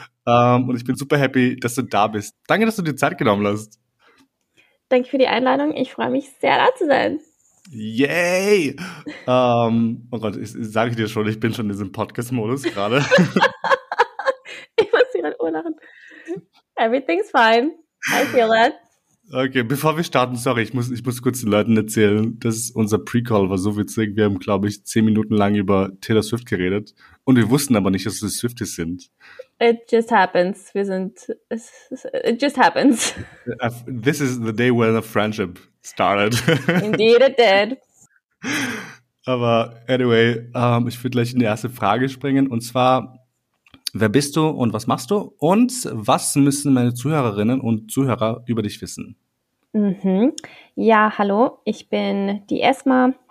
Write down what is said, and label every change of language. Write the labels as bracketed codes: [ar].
[de] Und ich bin super happy, dass du da bist. Danke, dass du dir Zeit genommen hast. Danke für die Einladung. Ich freue mich sehr, da zu sein. Yay! Oh Gott, sag ich dir schon, ich bin schon in diesem Podcast-Modus gerade. Ich muss dir gerade urlachen. [en] Everything's fine. I feel it. [de] Okay, bevor wir starten, sorry, ich muss kurz den Leuten erzählen, dass unser Pre-Call war so witzig. Wir haben, glaube ich, 10 Minuten lang über Taylor Swift geredet. Und wir wussten aber nicht, dass wir Swifties sind. [en] It just happens. It just happens. This is the day when a friendship started. Indeed it did. [de] Aber anyway, ich würde gleich in die erste Frage springen. Und zwar, wer bist du und was machst du? Und was müssen meine Zuhörerinnen und Zuhörer über dich wissen? Mhm. Ja, hallo. Ich bin die Esma.